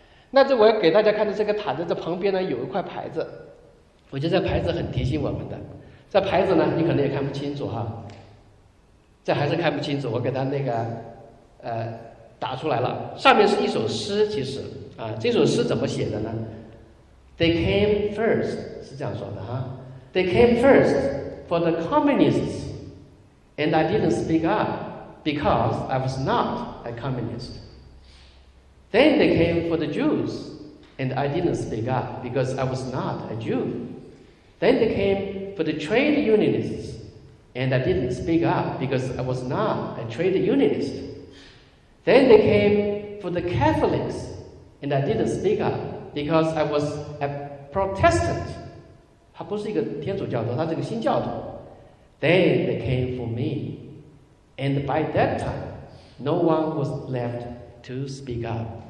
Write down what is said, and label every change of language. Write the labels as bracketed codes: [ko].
[zh] 那这我要给大家看的这个塔的这旁边呢有一块牌子，我觉得这牌子很提醒我们的。这牌子呢你可能也看不清楚哈，这还是看不清楚，我给他那个打出来了。上面是一首诗，其实啊，这首诗怎么写的呢？ [en] They came first， [zh] 是这样说的哈。 [en] They came first for the communists and I didn't speak up because I was not a communist. Then they came for the Jews and I didn't speak up because I was not a Jew. Then they came for the trade unionists and I didn't speak up because I was not a trade unionist. Then they came for the Catholics and I didn't speak up because I was a Protestant. [zh] 他不是一个天主教徒，他是个新教徒。 [en] Then they came for me, and by that time, no one was left to speak up.